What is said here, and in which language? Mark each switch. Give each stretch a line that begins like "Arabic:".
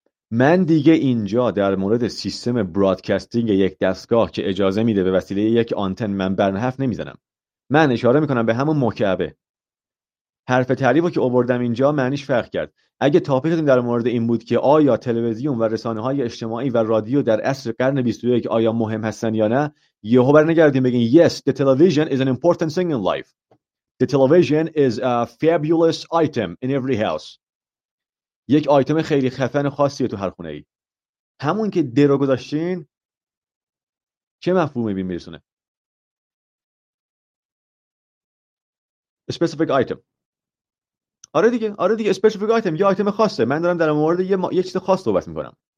Persian: من دیگه اینجا در مورد سیستم برادکستینگ یک دستگاه که اجازه میده به وسیله یک آنتن من برنحرف نمیزنم، من اشاره میکنم به همون مکعبه. حرف تعریف رو که آوردم اینجا معنیش فرق کرد. اگه تاپیکتون در مورد این بود که آیا تلویزیون و رسانه‌های اجتماعی و رادیو در عصر قرن 21 آیا مهم هستن یا نه، یهو برنگردیم بگین
English: yes, the television is an important thing in life. The television is a fabulous item in every house.
Persian: یک آیتم خیلی خفن خاصیه تو هر خونه ای. همون که درو گذاشتین چه مفهومی بین میرسونه؟
English: A specific item.
Persian: آره دیگه
English: specific item،
Persian: یه آیتم خاصه. من دارم در مورد یه چیز خاص صحبت میکنم.